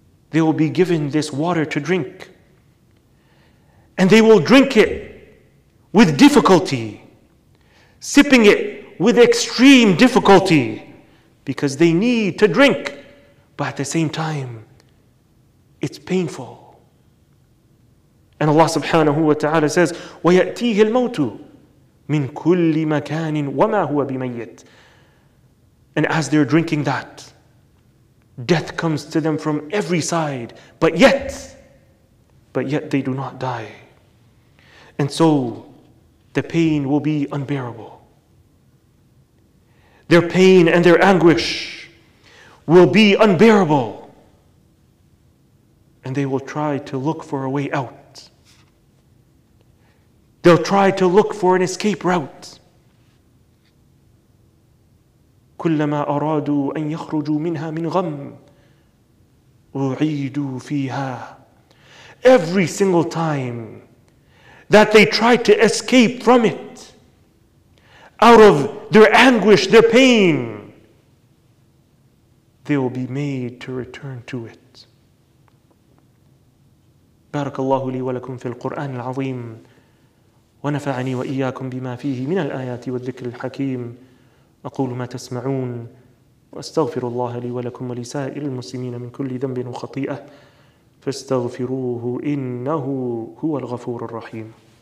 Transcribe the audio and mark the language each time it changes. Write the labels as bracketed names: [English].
[English] They will be given this water to drink, and they will drink it with difficulty, sipping it with extreme difficulty, because they need to drink, but at the same time, it's painful. And Allah subhanahu wa ta'ala says, [Arabic] وَيَأْتِيهِ الْمَوْتُ مِنْ كُلِّ مَكَانٍ وَمَا هُوَ بِمَيِّتٍ. [English] And as they're drinking that, death comes to them from every side, but yet they do not die. And so the pain will be unbearable. Their pain and their anguish will be unbearable. And they will try to look for a way out. They'll try to look for an escape route. [Arabic] كلما أرادوا أن يخرجوا منها من غم أعيدوا فيها. [English] Every single time that they tried to escape from it, out of their anguish, their pain, they will be made to return to it. [Arabic] بارك الله لي ولكم في القرآن العظيم ونفعني وإياكم بما فيه من الآيات والذكر الحكيم. أقول ما تسمعون وأستغفر الله لي ولكم ولسائر المسلمين من كل ذنب وخطيئة فاستغفروه إنه هو الغفور الرحيم.